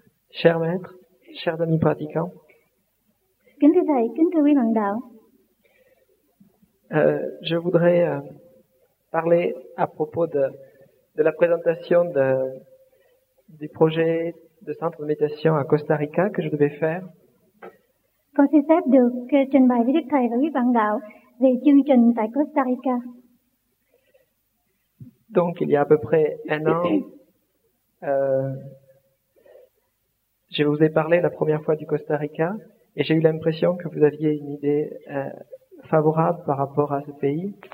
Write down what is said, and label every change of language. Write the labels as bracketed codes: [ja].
[fr] Cher maître, chers amis pratiquants. [vi] Kính thưa thầy, kính thưa quý bạn đạo. [fr] Je voudrais parler à propos de la présentation du projet de centre de méditation à Costa Rica que je devais faire. [vi] Con xin phép được trình bày với đức thầy và quý bạn đạo về chương trình tại Costa Rica. [fr] Donc il y a à peu près un an, je vous ai parlé la première fois du Costa Rica et j'ai eu l'impression que vous aviez une idée favorable par rapport à ce pays.